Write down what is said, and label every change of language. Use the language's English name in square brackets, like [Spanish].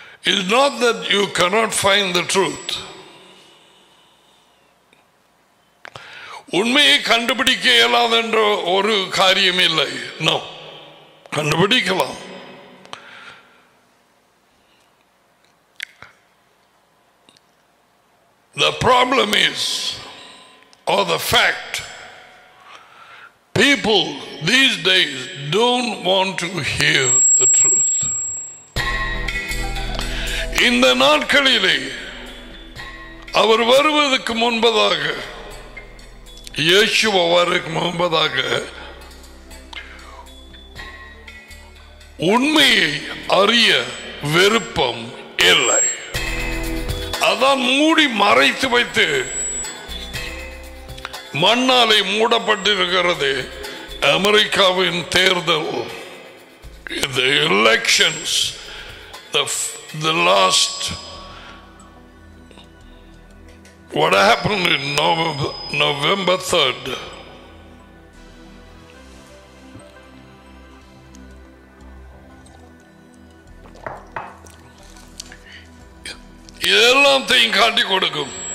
[English] It's not that you cannot find the truth. [Tamil] உண்மையை கண்டுபிடிக்க இயலாதென்ற ஒரு காரியம் இல்லை. நோ, கண்டுபிடிக்கலாம். [English] The problem is, or the fact, people these days don't want to hear the truth. [Tamil] இந்த நாட்களிலே அவர் வருவதற்கு முன்பதாக, இயேசு வருவதற்கு முன்பதாக உண்மையை அறிய விருப்பம் இல்லை. அதான் மூடி மறைத்து வைத்து மண்ணாலே மூடப்பட்டிருக்கிறது அமெரிக்காவின் தேர்தல். [English] The elections, the last, what happened in November 3rd, [Tamil] இதெல்லாம் தீ காட்டி கொடுக்கும்.